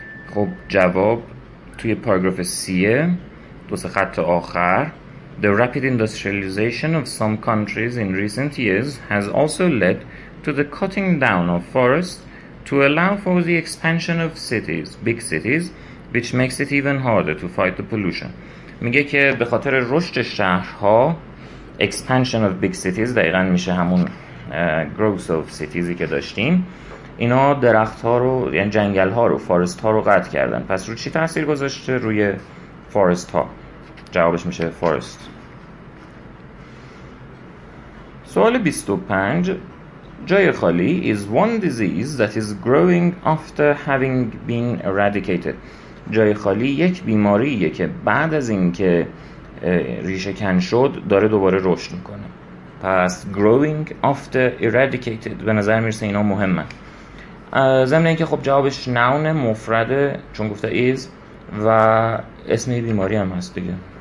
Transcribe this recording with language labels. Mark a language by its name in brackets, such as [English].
[Persian] خب جواب توی پاراگراف سیه، دو سه خط آخر، [English] the rapid industrialization of some countries in recent years has also led to the cutting down of forests to allow for the expansion of cities, big cities, which makes it even harder to fight the pollution. [Persian] میگه که به خاطر رشد شهرها، [English] expansion of big cities، [Persian] دقیقا میشه همون [English] growth of cities [Persian] که داشتیم، اینا درخت ها رو، یعنی جنگل ها رو، فارست ها رو قطع کردن. پس رو چی تأثیر گذاشته؟ روی فارست ها. جوابش میشه فارست. سوال 25، جای خالی [English] is one disease that is growing after having been eradicated. [Persian] جای خالی یک بیماریه که بعد از اینکه ریشه کن شد داره دوباره رشد میکنه. پس [English] growing after eradicated [Persian] به نظر میرسه اینا مهمه. ضمن اینکه خب جوابش نون مفرده، چون گفته is، و اسم بیماری هم هست دیگه.